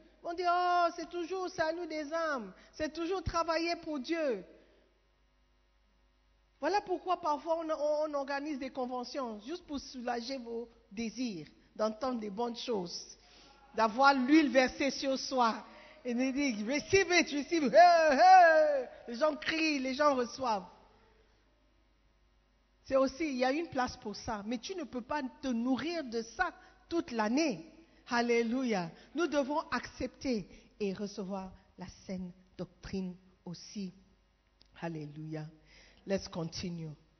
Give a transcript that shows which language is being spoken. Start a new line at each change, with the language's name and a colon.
French: Ils vont dire, oh, c'est toujours le salut des âmes, c'est toujours travailler pour Dieu. Voilà pourquoi parfois on organise des conventions, juste pour soulager vos désirs, d'entendre des bonnes choses, d'avoir l'huile versée sur soi. Et ils disent,
English: receive it, receive it.
French: Les gens crient, les gens reçoivent. C'est aussi, il y a une place pour ça, mais tu ne peux pas te nourrir de ça toute l'année. Alléluia. Nous devons accepter et recevoir la saine doctrine aussi. Alléluia.
English: Let's continue.